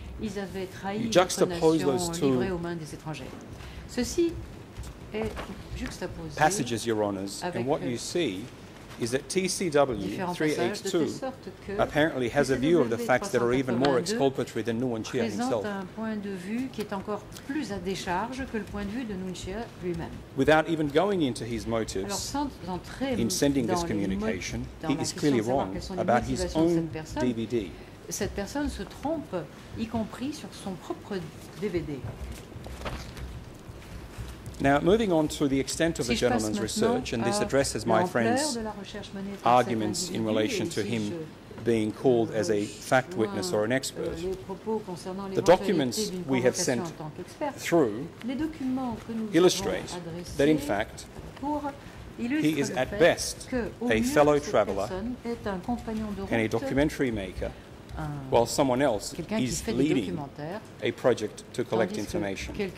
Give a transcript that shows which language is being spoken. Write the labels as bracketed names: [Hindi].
[English] You juxtapose those two passages, Your Honours, and what you see is that TCW 382 apparently has a view of the facts that are even more exculpatory than Nguyen Chia himself. Without even going into his motives in sending this communication, he is clearly wrong about his own DVD. [French] Cette personne se trompe, y compris sur son propre DVD. [English] Now, moving on to the extent of the gentleman's research, and this addresses my friend's arguments in relation to him being called as a fact witness or an expert. The documents we have sent through illustrate that, in fact, he is at best a fellow traveller and a documentary maker, while someone else is leading a project to collect information.